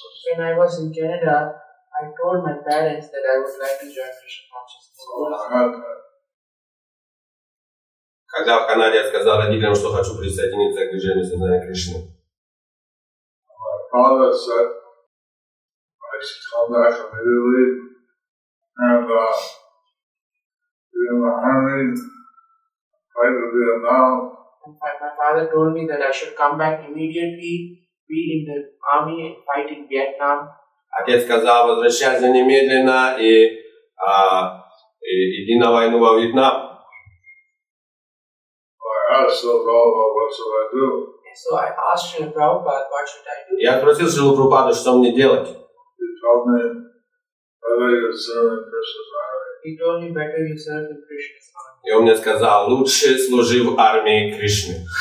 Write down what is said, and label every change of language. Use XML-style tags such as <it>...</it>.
<en>when I was in Canada, I told my parents that I would like to join Krishna consciousness.</en> <ru>Когда в Канаде я сказал родителям, что хочу присоединиться к движению сознания Кришны.</ru> <en>My father said I should come back from Italy and in the army fight in Vietnam. My father told me that I should come back immediately. Be in the army and fight in Vietnam.</en> <ru>Отец сказал, возвращайся немедленно и иди на войну во Вьетнам.</ru> <en>I asked Prabhupada, what should I do? So I asked Srila Prabhupada, what should I do?</en> <ru>Я спросил Srila Prabhupada, что мне делать?</ru> <en>He told me, better you serve in Krishna's army. He told me, better you serve in Krishna's army.</en> <ru>И он мне сказал, лучше служи в армии Кришны.</ru>